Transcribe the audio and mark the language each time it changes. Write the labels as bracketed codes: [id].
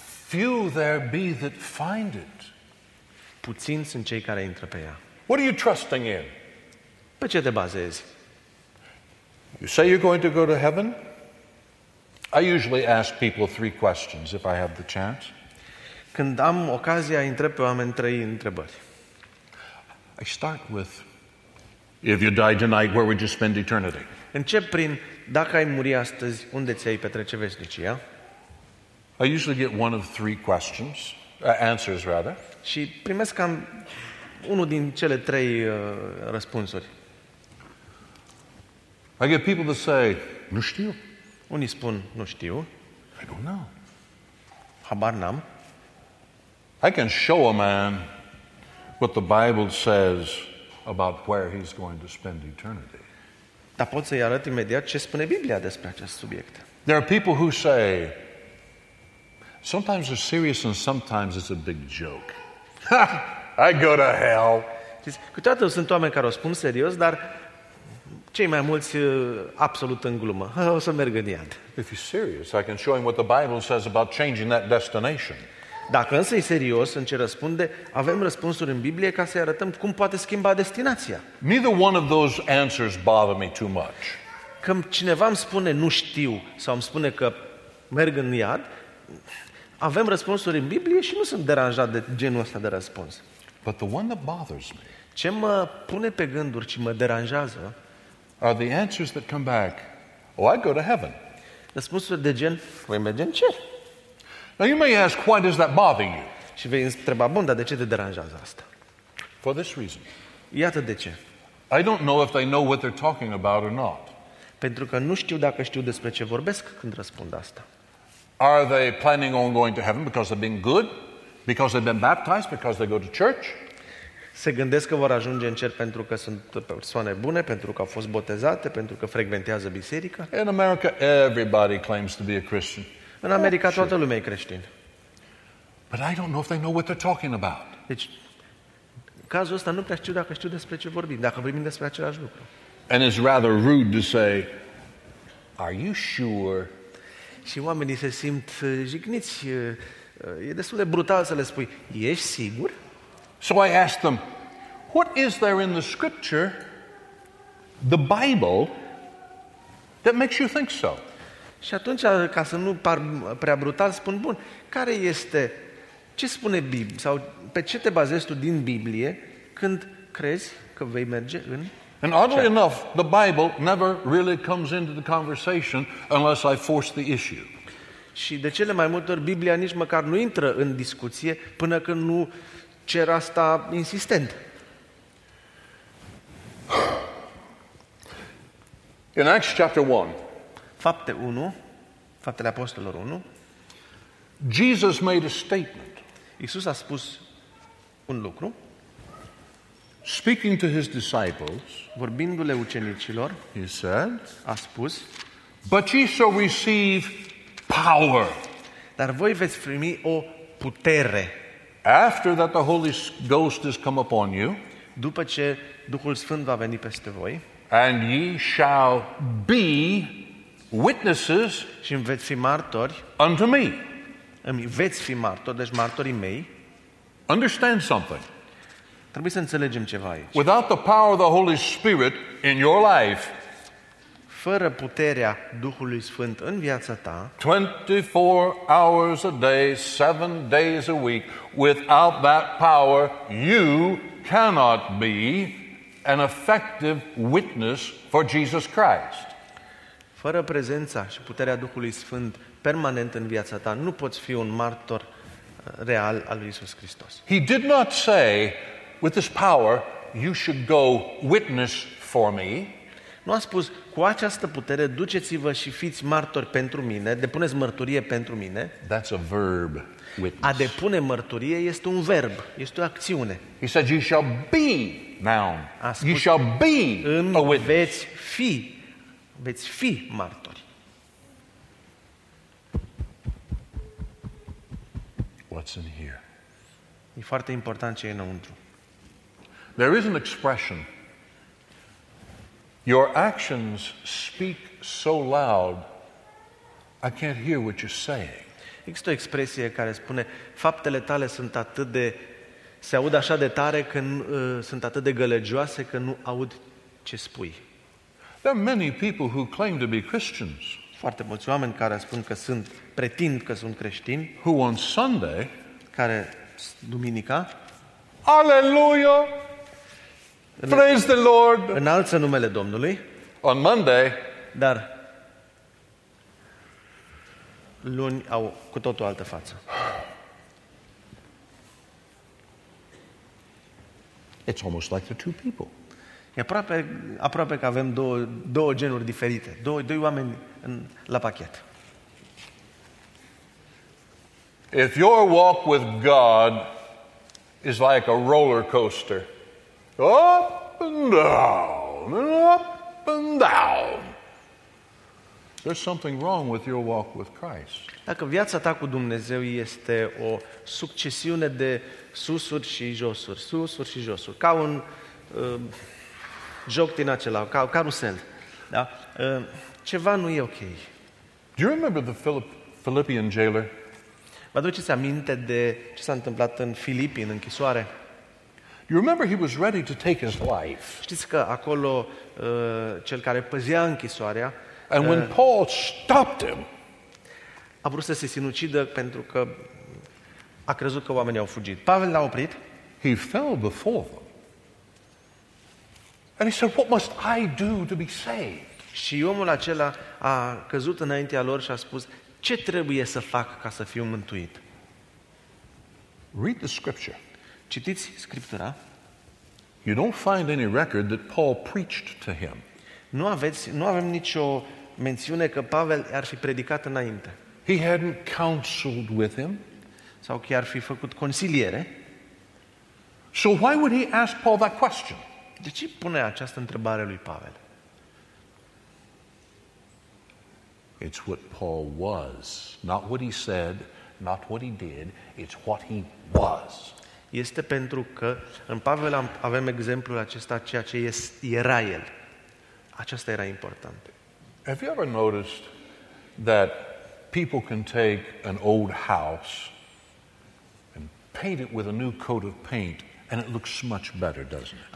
[en] Few there be that find it. [ro] Puțini sunt cei care intră pe ea. [en] What are you trusting in? [ro] Pe ce te bazezi? [en] You say you're going to go to heaven? I usually ask people three questions if I have the chance. [ro] Când am ocazia, întreb pe oameni trei întrebări. [en] I start with, if you die tonight, where would you spend eternity? [ro] Încep prin, dacă ai muri astăzi, unde ți-ai petrece veșnicia? [en] I usually get one of three questions, answers rather. [ro] Și primesc cam unul din cele trei răspunsuri. [en] I get people to say, [ro] nu știu. Unii spun, nu știu. [en] I don't know. [ro] Habar n-am. [en] I can show a man what the Bible says about where he's going to spend eternity. [ro] Dar pot să-i arăt imediat ce spune Biblia despre acest subiect. [en] There are people who say, sometimes it's serious and sometimes it's a big joke. I go to hell. [ro] Câteodată sunt oameni care o spun serios, dar cei mai mulți absolut în glumă. O să merg în iad. [en] If he's serious, I can show him what the Bible says about changing that destination. [ro] Dacă însă e serios în ce răspunde, avem răspunsuri în Biblie ca să-i arătăm cum poate schimba destinația. [en] Neither one of those answers bother me too much. [ro] Când cineva îmi spune nu știu sau îmi spune că merg în iad, avem răspunsuri în Biblie și nu sunt deranjat de genul ăsta de răspuns. [en] But the one that bothers me, [ro] ce mă pune pe gânduri și mă deranjează, [en] are the answers that come back, oh, I go to heaven. [ro] Răspunsuri de gen, voi merge în cer. [en] Now you may ask, why does that bother you? [ro] Și vei întreba, bun, dar de ce te deranjează asta? [en] For this reason. [ro] Iată de ce. [en] I don't know if they know what they're talking about or not. [ro] Pentru că nu știu dacă știu despre ce vorbesc când răspund asta. [en] Are they planning on going to heaven because they've been good? Because they've been baptized? Because they go to church? [ro] Se gândesc că vor ajunge în cer pentru că sunt persoane bune, pentru că au fost botezate, pentru că frecventează biserica? [en] In America, everybody claims to be a Christian. [ro] În America toată lumea e creștin. [en] But I don't know if they know what they're talking about. [ro] Deci, în cazul ăsta nu prea știu dacă știu despre ce vorbim, dacă vorbim despre același lucru. [en] And it's rather rude to say, are you sure? [ro] Și oamenii se simt jigniți. E destul de brutal să le spui, ești sigur? [en] So I ask them, what is there in the scripture, the Bible, that makes you think so? [ro] Și atunci, ca să nu par prea brutal, spun, bun, care este, ce spune Biblia, sau pe ce te bazezi tu din Biblie când crezi că vei merge în cer? [en] And oddly enough, the Bible never really comes into the conversation unless I force the issue. [ro] Și de cele mai multe ori Biblia nici măcar nu intră în discuție până când nu cer asta insistent. [en] In Acts chapter 1. [ro] Fapte 1, Faptele Apostolilor 1. [en] Jesus made a statement. [ro] Iisus a spus un lucru. [en] Speaking to his disciples, [ro] vorbindu-le ucenicilor, [en] he said, [ro] a spus, [en] "But ye shall receive power." [ro] Dar voi veți primi o putere. [en] After that the Holy Ghost has come upon you, [ro] după ce Duhul Sfânt va veni peste voi, [en] and ye shall be witnesses, [ro] și veți fi martori [en] unto me. [ro] Îmi veți fi martori, deci martorii mei. [en] Understand something. [ro] Trebuie să înțelegem ceva aici. [en] Without the power of the Holy Spirit in your life, [ro] fără puterea Duhului Sfânt în viața ta, [en] 24 hours a day, 7 days a week, without that power, you cannot be an effective witness for Jesus Christ. [ro] Fără prezența și puterea Duhului Sfânt permanent în viața ta, nu poți fi un martor real al lui Iisus Hristos. [en] He did not say, with this power, you should go witness for me. [ro] Nu a spus, cu această putere, duceți-vă și fiți martori pentru mine, depuneți mărturie pentru mine. [en] That's a verb, witness. [ro] A depune mărturie este un verb, este o acțiune. [en] He said, you shall be, now, you shall be a witness. [ro] Veți fi martori. [en] What's in here? [ro] E foarte important ce e înăuntru. [en] There is an expression. Your actions speak so loud, I can't hear what you're saying. [ro] Există o expresie care spune, faptele tale sunt atât de, se aud așa de tare, că sunt atât de gălăgioase, că nu aud ce spui. [en] There are many people who claim to be Christians. [ro] Foarte mulți oameni care spun că sunt, pretind că sunt creștini. [en] Who on Sunday, [ro] care duminica, [en] Aleluia! Praise the Lord. [ro] Înalță numele Domnului. [en] On Monday, [ro] dar luni au cu totul altă față. [en] It's almost like the two people. [ro] E aproape că avem două genuri diferite, doi oameni la pachet. [en] If your walk with God is like a roller coaster. Oh! And down, and up and down. There's something wrong with your walk with Christ. [ro] Dacă viața ta cu Dumnezeu este o succesiune de susuri și josuri, susuri și josuri, ca un joc din acela, ca un carusel, da? Ceva nu e ok. [en] Do you remember the Philippian jailer? [ro] Vă aduceți aminte de ce s-a întâmplat în Filipi, în închisoare? [en] You remember he was ready to take his life. [ro] Știți că acolo cel care păzea închisoarea, [en] and when Paul stopped him, [ro] a vrut să se sinucidă pentru că a crezut că oamenii au fugit. Pavel l-a oprit. [en] He fell before them. And he said, "What must I do to be saved?" [ro] Și omul acela a căzut înaintea lor și a spus, "Ce trebuie să fac ca să fiu mântuit?" [en] Read the scripture. [ro] Citiți Scriptura. [en] You don't find any record that Paul preached to him. [ro] Nu avem nicio mențiune că Pavel ar fi predicat înainte. [en] He hadn't counseled with him. [ro] Sau chiar fi făcut consiliere. [en] So why would he ask Paul that question? [ro] De ce pune această întrebare lui Pavel? [en] It's what Paul was, not what he said, not what he did, it's what he was. [ro] Este pentru că în Pavel avem exemplul acesta, ceea ce era el. Aceasta era important. [en] Have you ever noticed that people can take an old house and paint it with a new coat of paint and it looks much better, doesn't it?